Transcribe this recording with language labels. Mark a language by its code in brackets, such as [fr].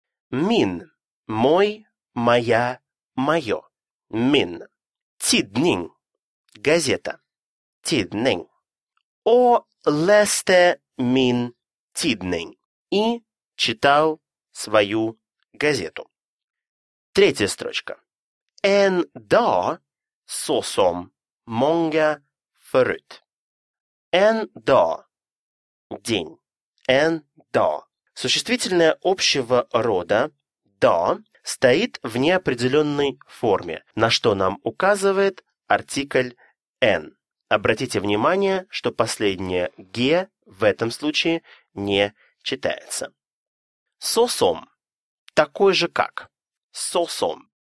[ru] Мин, мой, моя, мое, мин, тиднинг, газета, тиднинг, о, лесте, мин, тиднинг, и, читал свою газету. Третья строчка. [sv] En dag såsom många förut. En dag. День. En dag. [ru] Существительное общего рода dag стоит в неопределенной форме, на что нам указывает артикль en. Обратите внимание, что последнее g в этом случае не читается. Сосом. Такой же как. Сосом.